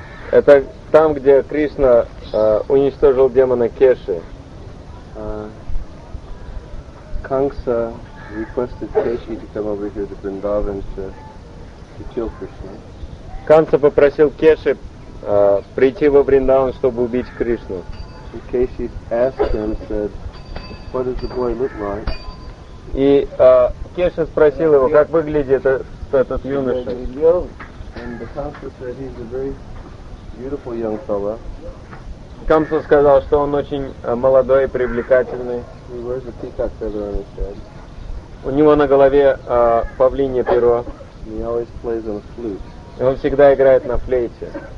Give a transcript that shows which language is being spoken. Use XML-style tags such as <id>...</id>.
<ru>Это там, где Кришна уничтожил демона Кеши.</ru> <en>Kamsa requested Keshi to come over here to Vrindavan to kill Krishna.</en> <ru>Kamsa попросил Кеши прийти во Вриндаван, чтобы убить Кришну.</ru> <en>And Keshi asked him, said, "What does the boy look like?"</en> <ru>И Кеша спросил его, как выглядит этот юноша.</ru> <en>And Kamsa said, "He's a very beautiful young fellow."</en> <ru>Камсу сказал, что он очень молодой и привлекательный. У него на голове павлинье перо. И он всегда играет на флейте.</ru>